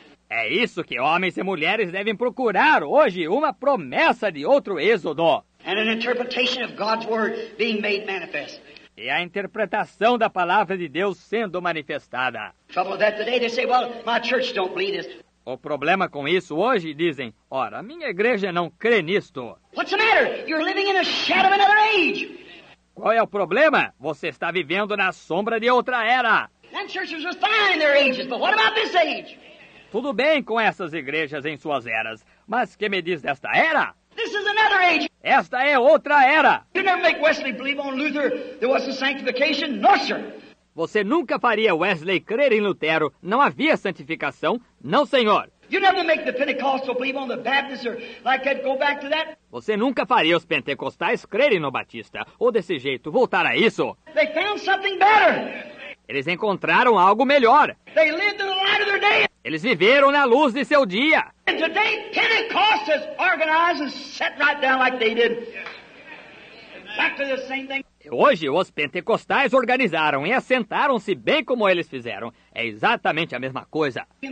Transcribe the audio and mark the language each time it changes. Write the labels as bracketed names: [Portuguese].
[Portuguese] É isso que homens e mulheres devem procurar hoje, uma promessa de outro êxodo. [English] And an interpretation of God's word being made manifest. [Portuguese] E a interpretação da palavra de Deus sendo manifestada. [English] Trouble that today they say, well, my church don't believe this. [Portuguese] O problema com isso hoje, dizem, ora, minha igreja não crê nisto. [English] What's the matter? You're living in a shadow of another age. [Portuguese] Qual é o problema? Você está vivendo na sombra de outra era. [English] Them churches were fine in their ages, but what about this age? [Portuguese] Tudo bem com essas igrejas em suas eras, mas que me diz desta era? [English] This is another age. [Portuguese] Esta é outra era. [English] You never make Wesley believe on Luther there was a sanctification? No, sir. [Portuguese] Você nunca faria Wesley crer em Lutero, não havia santificação, não, senhor. [English] You never make the Pentecostal believe on the Baptist or like that, go back to that. [Portuguese] Você nunca faria os pentecostais crerem no Batista, ou desse jeito, voltar a isso. [English] They found something better. [Portuguese] Eles encontraram algo melhor. [English] They lived in the light of their day. [Portuguese] Eles viveram na luz de seu dia. [English] And today, Pentecost has organized and set right down like they did. Back to the same thing. [Portuguese] Hoje, os pentecostais organizaram e assentaram-se bem como eles fizeram. É exatamente a mesma coisa.